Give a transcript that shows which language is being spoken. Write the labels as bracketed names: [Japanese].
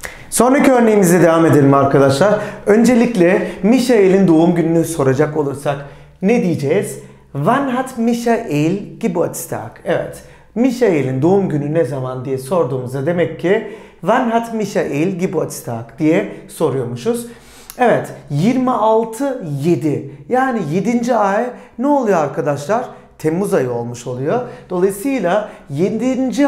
[Turkish] Sonraki örneğimize devam edelim arkadaşlar. Öncelikle Michael'in doğum gününü soracak olursak ne diyeceğiz? [German] Wann hat Michael Geburtstag? [Turkish] Evet, Michael'in doğum günü ne zaman diye sorduğumuzda demek ki [German] Wann hat Michael Geburtstag [Turkish] diye soruyormuşuz. Evet, 26-7, yani 7. ay ne oluyor arkadaşlar? Temmuz ayı olmuş oluyor. Dolayısıyla 7.